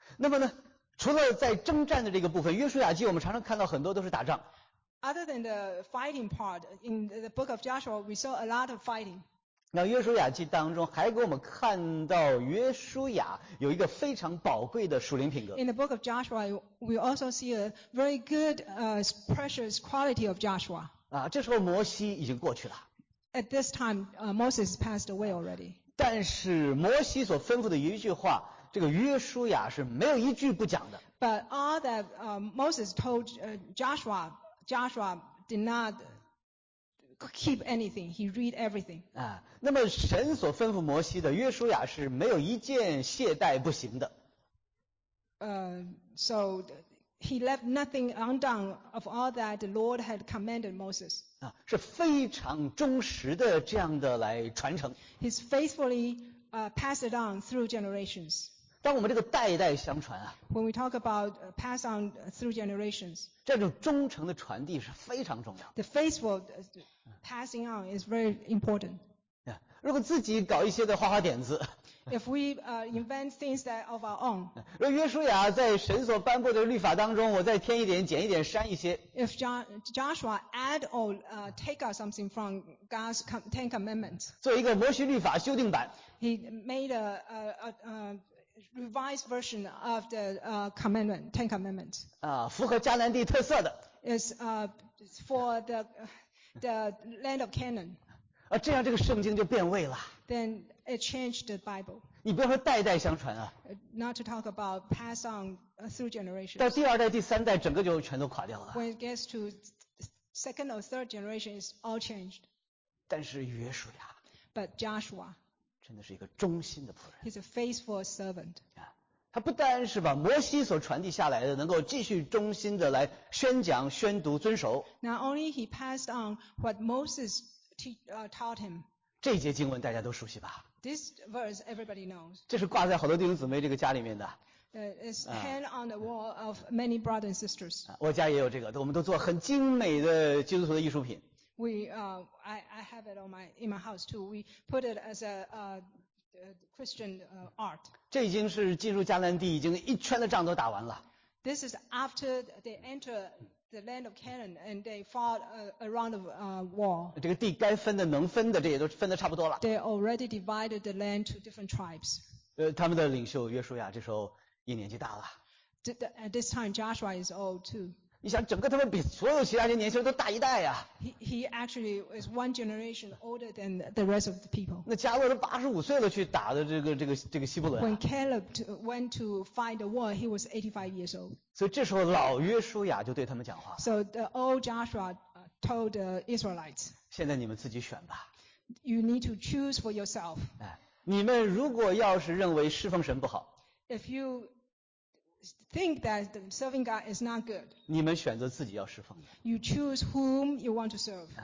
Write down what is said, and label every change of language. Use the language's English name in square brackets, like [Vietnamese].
[Chinese] 那么呢，除了在征战的这个部分，约书亚记我们常常看到很多都是打仗。 [English] Other than the fighting part, in the book of Joshua, we saw a lot of fighting. [Chinese] 那约书亚记当中还给我们看到约书亚有一个非常宝贵的属灵品格。 [English] In the book of Joshua, we also see a very good, precious quality of Joshua. [Chinese] 啊，这时候摩西已经过去了。 [English] At this time, Moses passed away already. [Chinese] 但是摩西所吩咐的一句话，这个约书亚是没有一句不讲的。 [English] But all that Moses told Joshua, Joshua did not keep anything. He read everything. [Chinese] 啊，那么神所吩咐摩西的，约书亚是没有一件懈怠不行的。 [English] So he left nothing undone of all that the Lord had commanded Moses. [Chinese] 啊，是非常忠实的这样的来传承。 [English] He's faithfully passed it on through generations. [Chinese] 当我们这个代代相传啊。 [English] When we talk about pass on through generations. [Chinese] 这种忠诚的传递是非常重要。 [English] The faithful passing on is very important. [Chinese] 啊，如果自己搞一些的花花点子。 [English] If we invent things that of our own. [Chinese] 若约书亚在神所颁布的律法当中，我再添一点、减一点、删一些。 [English] If Joshua add or take out something from God's Ten Commandments. [Chinese] 做一个摩西律法修订版。 [English] He made a revised version of the commandment, Ten Commandments. [Chinese] 啊，符合迦南地特色的。 [English] Is for the land of Canaan. [Chinese] 啊，这样这个圣经就变味了。 [English] Then it changed the Bible. [Chinese] 你不要说代代相传啊。 [English] Not to talk about pass on through generations. [Chinese] 到第二代、第三代，整个就全都垮掉了。 [English] When it gets to second or third generation, it's all changed. [Chinese] 但是约书亚。 [English] But Joshua. [Chinese] 真的是一个忠心的仆人。 [English] He's a faithful servant. [Chinese] 他不单是把摩西所传递下来的能够继续忠心的来宣讲、宣读、遵守。 [English] Not only he passed on what Moses taught him. [Chinese] 这节经文大家都熟悉吧？ [English] This verse everybody knows. [Chinese] 这是挂在好多弟兄姊妹这个家里面的。 [English] It's hang on the wall of many brothers and sisters. [Chinese] 我家也有这个，我们都做很精美的基督徒的艺术品。 [English] We, I have it on my in my house too. We put it as a Christian art. [Chinese] 这已经是进入迦南地，已经一圈的仗都打完了。 [English] This is after they enter the land of Canaan and they fought around the wall. [Chinese] 这个地该分的能分的这也都分的差不多了。 [English] They already divided the land to different tribes. [Chinese] 他们的领袖约书亚这时候也年纪大了。 [English] At this time Joshua is old too. [Chinese] 你想整个他们比所有其他人年轻人都大一代啊。 [English] He actually is one generation older than the rest of the people. [Chinese] 那加勒都85岁了去打的这个希伯伦。 [English] When Caleb went to fight the war, he was 85 years old. [Chinese] 所以这时候老约书亚就对他们讲话。 [English] So the old Joshua told the Israelites. [Chinese] 现在你们自己选吧。 [English] You need to choose for yourself. [Chinese] 你们如果要是认为侍奉神不好。 [English] If you think that serving God is not good. [Chinese] 你们选择自己要侍奉。 [English] You choose whom you want to serve.